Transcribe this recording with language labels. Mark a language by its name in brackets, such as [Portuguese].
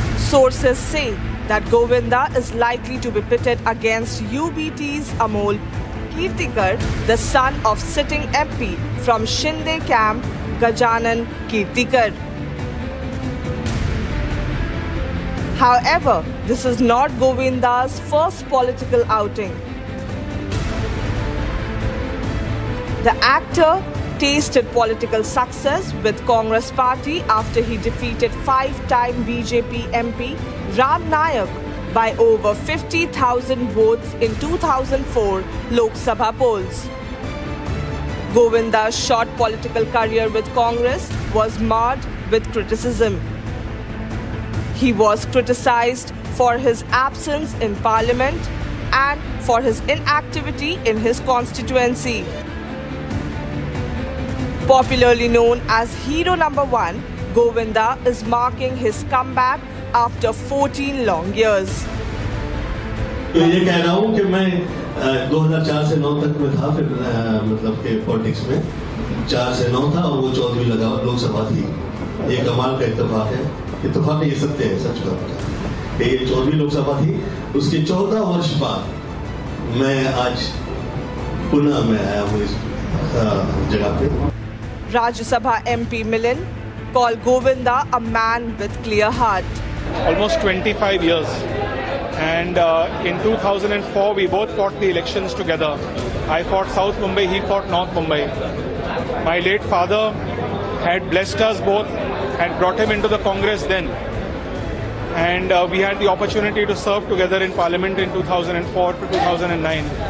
[English] Sources say that Govinda is likely to be pitted against UBT's Amol Kirtikar the son of sitting MP from Shinde camp Gajanan Kirtikar However, this is not Govinda's first political outing. The actor tasted political success with Congress Party after he defeated five-time BJP MP Ram Nayak by over 50,000 votes in 2004 Lok Sabha polls. Govinda's short political career with Congress was marred with criticism. He was criticized for his absence in parliament and for his inactivity in his constituency. Popularly known as Hero Number One, Govinda is marking his comeback after 14 long years. [Hindi] मैं ये कह रहा हूँ कि मैं 2004 से 9 तक में था फिर मतलब के पॉलिटिक्स में 4 से 9 था और वो 14 भी लगा लोकसभा थी ये कमाल का इत्तेफाक है इत्तेफाक ये सत्य है सच का पता है ये 14 लोकसभा थी उसके 14 वर्ष बाद मैं आज पुनः मैं आया हूँ इस जगह पे [English] Rajya Sabha MP Milind call Govinda a man with clear heart almost 25 years And in 2004, we both fought the elections together. I fought South Mumbai, he fought North Mumbai. My late father had blessed us both, had brought him into the Congress then. and we had the opportunity to serve together in Parliament in 2004 to 2009.